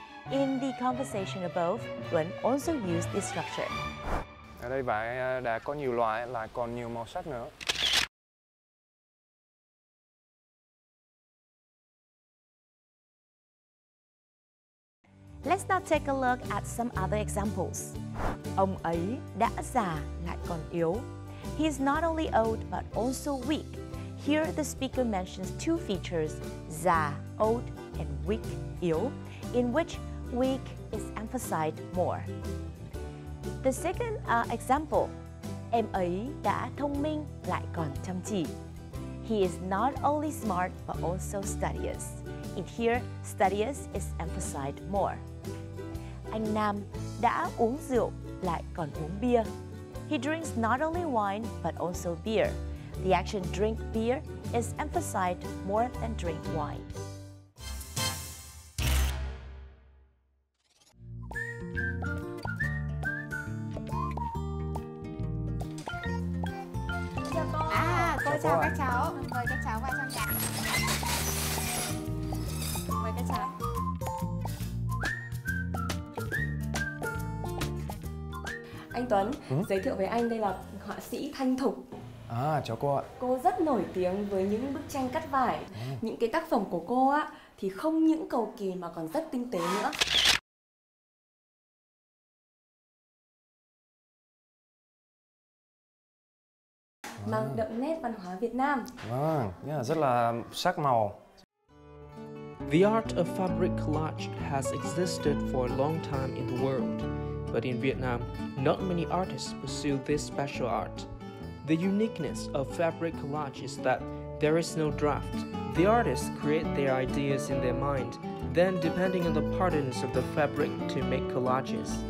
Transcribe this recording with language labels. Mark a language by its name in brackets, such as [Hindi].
[English] In the conversation above, Tuấn also used this structure. [Vietnamese] Ở đây vải đã có nhiều loại, lại còn nhiều màu sắc nữa. [English] Let's now take a look at some other examples. [Vietnamese] Ông ấy đã già lại còn yếu. [English] He is not only old but also weak. Here the speaker mentions two features, già, old, and weak, yếu, in which weak is emphasized more. The second example, [Vietnamese] em ấy đã thông minh lại còn chăm chỉ. [English] He is not only smart but also studious. In here, studious is emphasized more. [Vietnamese] Anh Nam đã uống rượu lại còn uống bia. [English] He drinks not only wine but also beer. The action drink beer is emphasized more than drink wine. [Vietnamese] Anh Tuấn, giới thiệu với anh, đây là họa sĩ Thanh Thục. À, chào cô ạ. Cô rất nổi tiếng với những bức tranh cắt vải. Những cái tác phẩm của cô á thì không những cầu kỳ mà còn rất tinh tế nữa. Mang đậm nét văn hóa Việt Nam. Vâng, rất là sắc màu. [English] The art of fabric collage has existed for a long time in the world. But in Vietnam, not many artists pursue this special art. The uniqueness of fabric collage is that there is no draft. The artists create their ideas in their mind, then depending on the patterns of the fabric to make collages.